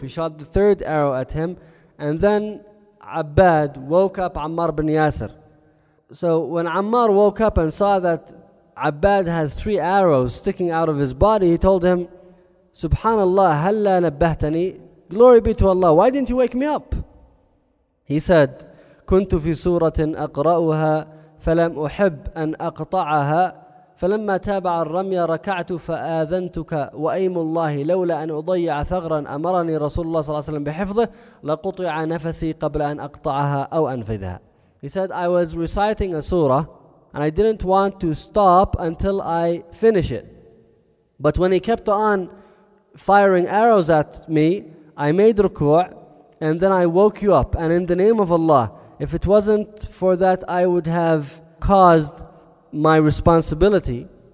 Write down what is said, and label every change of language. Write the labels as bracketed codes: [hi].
[en] He shot the third arrow at him. And then Abbad woke up Ammar bin Yasir. So when Ammar woke up and saw that Abbad has 3 arrows sticking out of his body, he told him, Subhanallah, [ar] halla nabbahtani, [en] glory be to Allah, why didn't you wake me up? He said, [ar] كنت في سورة أقرأها فلم أحب أن أقطعها فلما تابع الرمي ركعت فآذنتك وأيم الله لولا أن أضيع ثغرا أمرني رسول الله صلى الله عليه وسلم بحفظه لقطع نفسي قبل أن أقطعها أو أنفذها. [en] He said, I was reciting a surah and I didn't want to stop until I finish it. But when he kept on firing arrows at me, I made ruku' and then I woke you up. And in the name of Allah, if it wasn't for that, I would have caused my responsibility.